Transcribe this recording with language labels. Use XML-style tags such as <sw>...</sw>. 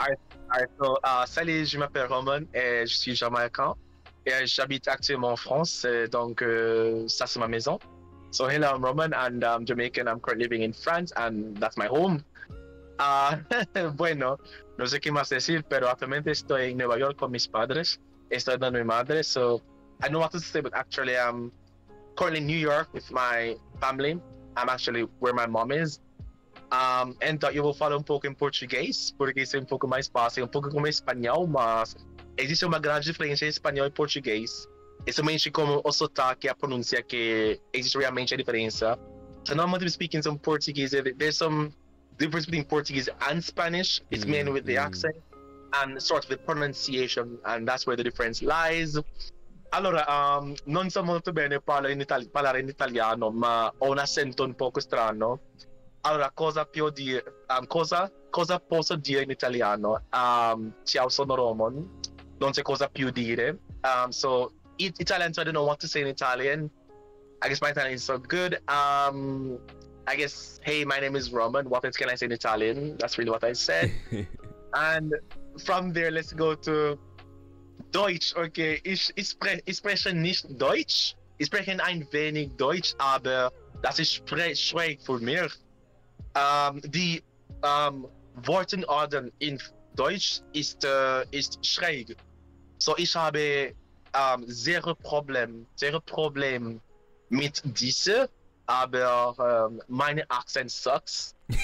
<fr>Alright, so salut, je m'appelle Roman et je suis Jamaican. Et j'habite actuellement en France, donc ça c'est ma maison.</fr> <en>So hello, I'm Roman and I'm Jamaican. I'm currently living in France and that's my home.</en> <es>bueno, no sé qué más decir, pero actualmente estoy en Nueva York con mis padres. Estoy con mi madre,</es> <en>so I know what to say, but actually I'm currently in New York with my family. I'm actually where my mom is. And that you will follow</en> <es>un poco en portugués, porque es un poco más fácil, un poco como español, mas existe una gran diferencia en español y portugués.</es> <pt>Especialmente como o sotaque, a pronuncia, que existe realmente a diferencia.</pt> <en>So normally speaking some Portuguese, there's some difference between Portuguese and Spanish. It's mainly with the accent and sort of the pronunciation, and that's where the difference lies.</en> <it>Allora, non so molto bene parlare in italiano, ma ho un accento un poco strano. Allora, cosa posso dire in italiano? Ciao, sono Roman. Non c'è cosa più dire.</it> <en>So, in Italian, so I don't know what to say in Italian. I guess my Italian is so good. I guess, hey, my name is Roman. What else can I say in Italian? That's really what I said. And from there, let's go to Deutsch, okay.</en> <de>Ich spreche nicht Deutsch. Ich spreche ein wenig Deutsch, aber das ist schwierig für mich. Die Wortenorden in Deutsch ist schräg. So ich habe sehr Probleme mit diese, aber meine Akzent sucks.</de>